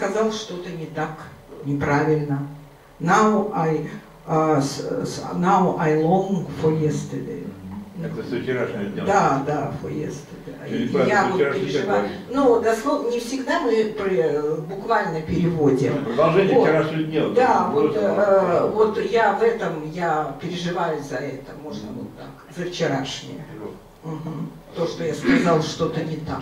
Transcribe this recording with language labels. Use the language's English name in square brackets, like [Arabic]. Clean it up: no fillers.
[Russian] Что-то не так, неправильно. [English] Now I long for yesterday. [Russian] Это все вчерашнее дело. Да, [English] for yesterday. [Russian] Я вот переживаю. Ну, дословно, не всегда мы буквально переводим. Продолжение вот. Вчерашнего дня. Да, вот я в этом, я переживаю за это, можно вот так, за вчерашнее. Угу. То, что я сказал, что-то не так.